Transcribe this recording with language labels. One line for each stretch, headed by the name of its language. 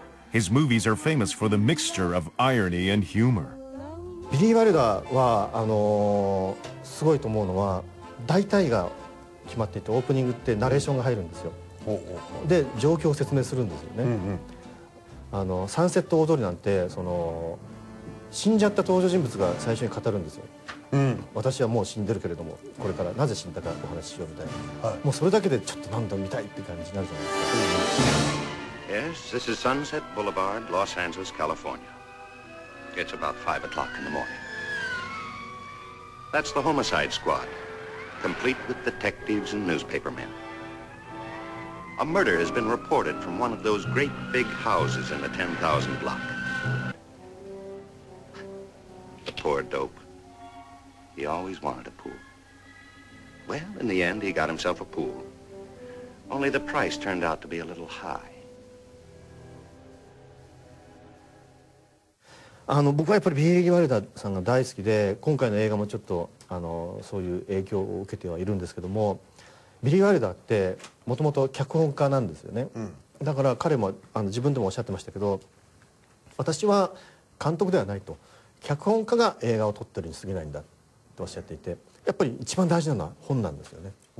English: His movies are famous for the mixture of irony and humor.
Japanese: ビリー・ワイルダーはすごいと思うのは、大体が決まっていて、オープニングってナレーションが入るんですよ。で、状況を説明するんですよね。サンセット大通りなんて、その死んじゃった登場人物が最初に語るんですよ、うん、私はもう死んでるけれども、これからなぜ死んだかお話ししようみたいな、はい、もうそれだけでちょっと何度も見たいって感じになるじゃないですか。
English: Yes, this is Sunset Boulevard, Los Angeles, California. It's about 5 o'clock in the morning. That's the homicide squad, complete with detectives and newspaper men. A murder has been reported from one of those great big houses in the 10,000 block. The poor dope. He always wanted a pool. Well, in the end, he got himself a pool. Only the price turned out to be a little high.
Japanese: あの僕はやっぱりビリー・ワイルダーさんが大好きで、今回の映画もちょっとあのそういう影響を受けてはいるんですけども、ビリー・ワイルダーってもともと脚本家なんですよね、うん、だから彼もあの自分でもおっしゃってましたけど、私は監督ではないと、脚本家が映画を撮ってるに過ぎないんだとおっしゃっていて、やっぱり一番大事なのは本なんですよね。